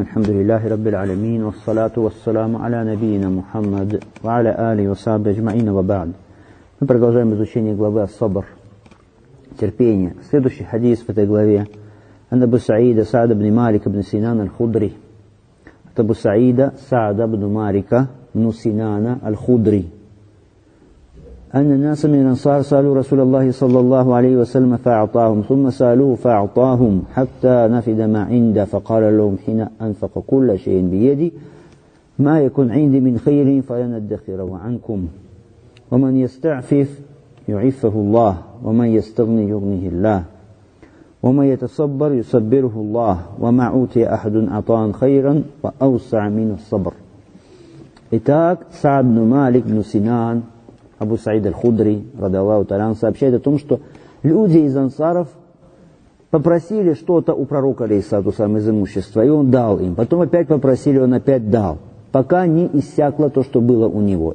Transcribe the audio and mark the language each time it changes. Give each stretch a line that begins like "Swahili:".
Arabic: الحمد لله رب العالمين، والصلاة والسلام على نبينا محمد وعلى آله وصحبه أجمعين، وبعد.
Russian: Мы продолжаем изучение главы الصبر، терпение. Следующий хадith в этой главе عن أبو سعيد سعد بن مالك بن سنان الخضري.
Arabic: أبو سعيد سعد بن مالك بن سنان الخضري أن الناس من الأنصار سألوا رسول الله صلى الله عليه وسلم فأعطاهم، ثم سألوه فأعطاهم حتى نفد ما عنده، فقال لهم حين أنفق كل شيء بيدي ما يكون عندي من خير فلن أدخره عنكم، ومن يستعفف يعفه الله، ومن يستغني يغنه الله، ومن يتصبر يصبره الله، وما أوتي أحد عطاء خيرا وأوسع من الصبر.
Russian: إتاك سعد بن مالك بن سنان Абу Саид аль-Худри, Радаллаху Талан, сообщает о том, что люди из ансаров попросили что-то у пророка, алейхиссалату вассалям, из имущества, и он дал им. Потом опять попросили, он опять дал, пока не иссякло то, что было у него.